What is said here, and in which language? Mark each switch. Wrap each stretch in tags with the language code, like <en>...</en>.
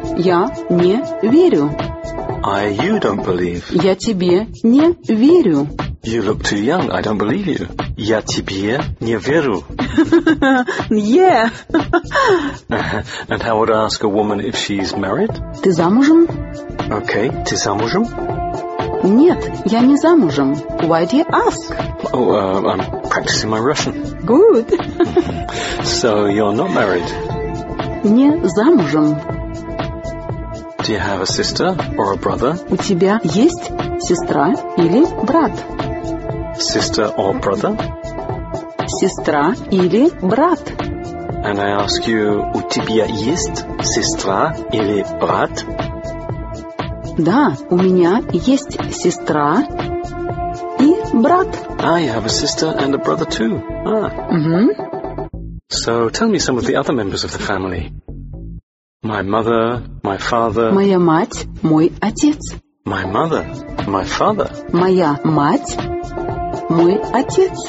<ru>Я не верю.</ru> <en>I you don't believe.</en> <ru>Я тебе не верю.</ru> <en>You look too young. I don't believe you.</en> <ru>Я тебе не верю.</ru> <en>Yeah. And how would I ask a woman if she's married?</en> <ru>Ты замужем? Okay, ты замужем? Нет, я не замужем.</ru> <en>Why do you ask? I'm practicing my Russian. Good. So you're not married.</en> <ru>Не замужем.</ru> <en>Do you have a sister or a brother?</en> <ru>У тебя есть сестра или брат?</ru> <en>Sister or brother?</en> <ru>Сестра или брат?</ru> <en>And I ask you,</en> <ru>у тебя есть сестра или брат? Да, у меня есть сестра и брат.</ru> <en>Ah, you have a sister and a brother too. Ah. Mm-hmm. So tell me some of the other members of the family. My mother, my father.</en> <ru>Моя мать, мой отец.</ru> <en>My mother, my father.</en> <ru>Моя мать, мой отец.</ru>